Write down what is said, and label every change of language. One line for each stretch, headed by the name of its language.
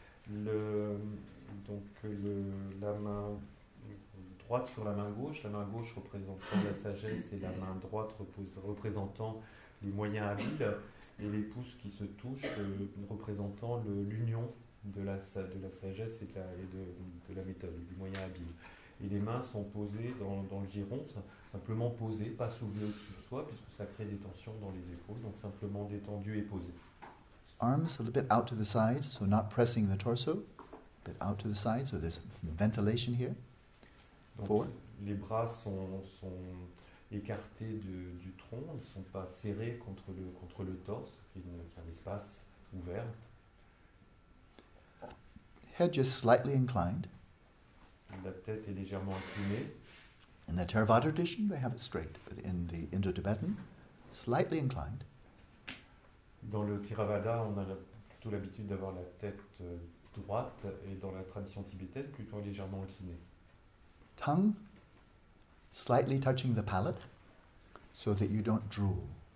French: La main droite sur la main gauche, la main gauche représentant la sagesse et la main droite représentant les moyens habiles et les pouces qui se touchent représentant l'union de la sagesse et de la méthode, du moyen habile. Et les mains sont posées dans le giron, simplement posées, pas soulevées au-dessus de soi puisque ça crée des tensions dans les épaules, donc simplement détendues et posées.
English: Arms a little bit out to the side, so not pressing the torso, but out to the side, so there's some ventilation here.
French: Donc, les bras sont écartés du tronc, ils ne sont pas serrés contre le torse, qui est un espace ouvert.
English: Head just slightly inclined.
French: La tête est légèrement inclinée.
English: In the Theravada tradition, they have it straight, but in the Indo-Tibetan, slightly inclined.
French: Dans le Theravada, on a plutôt l'habitude d'avoir la tête droite, et dans la tradition tibétaine, plutôt légèrement inclinée.
English: Tongue slightly touching the palate so that you don't drool.